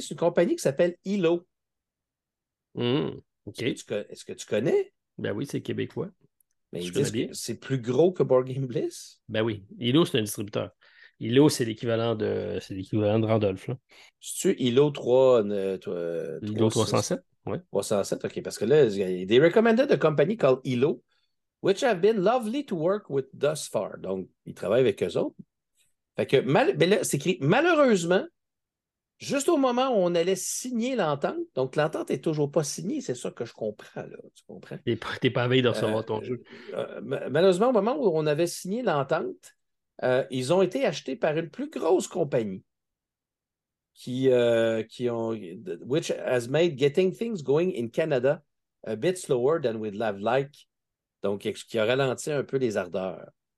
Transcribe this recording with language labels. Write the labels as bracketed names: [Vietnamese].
[French] C'est une compagnie qui s'appelle Hilo. [English] Okay. [French] Est-ce que tu connais? Ben oui, c'est québécois. Mais ils disent que c'est plus gros que Board Game Bliss? Ben oui. Hilo, c'est un distributeur. Hilo, c'est l'équivalent de Randolph. Là. C'est-tu Hilo 3... Hilo 307, oui. 307, OK. Parce que là, [English] they recommended a company called Hilo, which have been lovely to work with thus far. [French] Donc, ils travaillent avec eux autres. Fait que, c'est écrit, malheureusement, juste au moment où on allait signer l'entente, donc l'entente n'est toujours pas signée, c'est ça que je comprends, là, tu comprends? T'es pas à veille de recevoir ton jeu. Malheureusement, au moment où on avait signé l'entente, ils ont été achetés par une plus grosse compagnie [English] which has made getting things going in Canada a bit slower than we'd have liked, [French] donc qui a ralenti un peu les ardeurs.